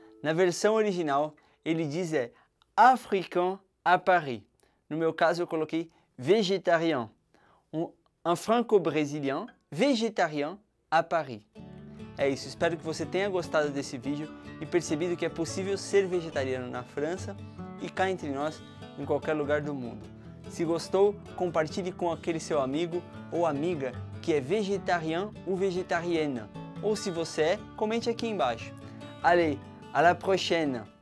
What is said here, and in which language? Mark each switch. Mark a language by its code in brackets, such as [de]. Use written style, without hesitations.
[pt] Na versão original, ele diz é [fr] africain à Paris. [pt] No meu caso, eu coloquei végétarien. Um [fr] franco-brésilien végétarien à Paris. [pt] É isso, espero que você tenha gostado desse vídeo e percebido que é possível ser vegetariano na França e cá entre nós, em qualquer lugar do mundo. Se gostou, compartilhe com aquele seu amigo ou amiga que é [fr] vegetarian ou vegetarienne. [pt] Ou se você é, comente aqui embaixo. [fr] Allez, à la prochaine!